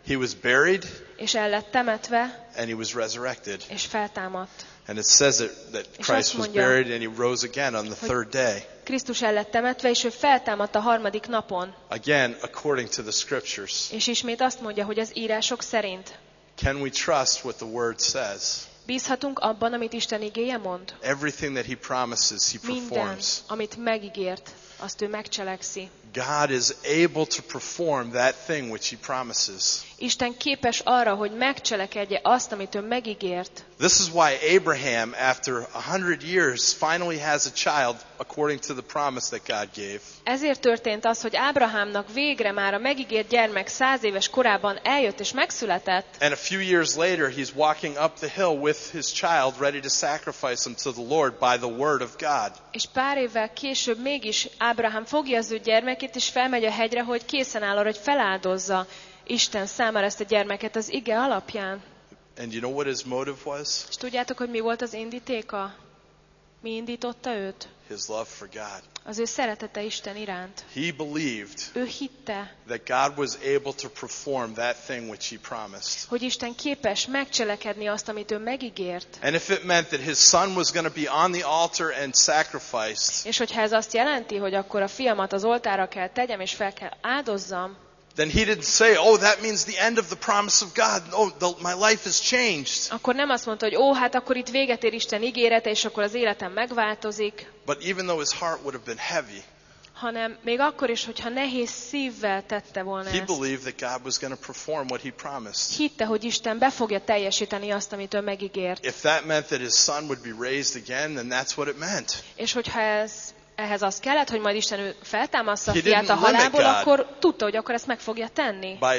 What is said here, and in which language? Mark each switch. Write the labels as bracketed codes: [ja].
[en] He was buried. [hu] És el lett temetve. [en] And he was resurrected. [hu] És feltámadt. [en] And it says that Christ was buried and he rose again on the third day. [hu] Krisztus el lett temetve, és ő feltámadt a 3. napon. [en] Again, according to the scriptures. [hu] És ismét azt mondja, hogy az írások szerint. [en] Can we trust what the word says? [hu] Bízhatunk abban, amit Isten igéje mond. [en] Everything that he promises, he performs. [hu] Minden, amit megígért, azt ő megcselekszi. [en] God is able to perform that thing which he promises. [hu] Isten képes arra, hogy megcselekedje azt, amit ő megígért. [en] This is why Abraham after 100 years finally has a child according to the promise that God gave. [hu] Ezért történt az, hogy Ábrahámnak végre már a megígért gyermek 100 éves korában eljött és megszületett. [en] And a few years later he's walking up the hill with his child ready to sacrifice him to the Lord by the word of God. [hu] És pár évvel később mégis Ábrahám fogja az ő gyermekét és felmegy a hegyre, hogy készen áll arra, hogy feláldozza Isten számára ezt a gyermeket az ige alapján. [en] And you know what his motive was? [hu] És tudjátok, hogy mi volt az indítéka? Mi indította őt? [en] His love for God. [hu] Az ő szeretete Isten iránt. [en] He believed. [hu] Ő hitte. [en] That God was able to perform that thing which he promised. [hu] Hogy Isten képes megcselekedni azt, amit ő megígért. [en] And if it meant that his son was going to be on the altar and sacrificed. [hu] És hogyha ez azt jelenti, hogy akkor a fiamat az oltára kell tegyem és fel kell áldozzam. [en] Then he didn't say, oh, that means the end of the promise of God. My life has changed. [hu] Akkor nem azt mondta, hogy hát akkor itt véget ér Isten ígérete, és akkor az életem megváltozik. [en] But even though his heart would have been heavy, [hu] hanem még akkor is, hogyha nehéz szívvel tette volna ezt. [en] He believed that God was going to perform what he promised. [hu] Hitte, hogy Isten be fogja teljesíteni azt, amit ő megígért. [en] If that meant that his son would be raised again, then that's what it meant. [hu] És hogyha ez ehhez az kellett, hogy majd Isten feltámaszta a fiát a halálból, akkor tudta, hogy akkor ezt meg fogja tenni.